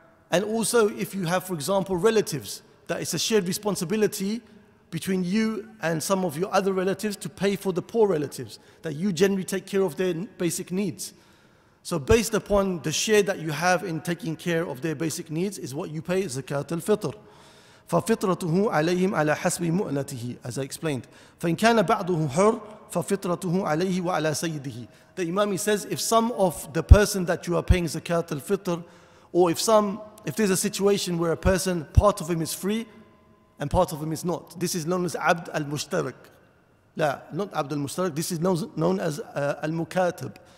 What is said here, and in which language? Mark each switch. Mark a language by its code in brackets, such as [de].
[en] And also if you have, for example, relatives, that it's a shared responsibility between you and some of your other relatives to pay for the poor relatives, that you generally take care of their basic needs. So based upon the share that you have in taking care of their basic needs is what you pay Zakat al-Fitr. [ar] فَفِطْرَتُهُ عَلَيْهِمْ عَلَى حَسْبِ مُؤْنَتِهِ. [en] As I explained. [ar] فَإِنْ كَانَ بَعْضُهُ حُرْ فَفِطْرَتُهُ عَلَيْهِ وَعَلَى سَيِّدِهِ. [en] The Imami says, if some of the person that you are paying zakat al-fitr, or if there's a situation where a person, part of him is free and part of him is not, this is known as abd al-mushtarak. لا, not abd al-mushtarak, this is known as al-mukatib.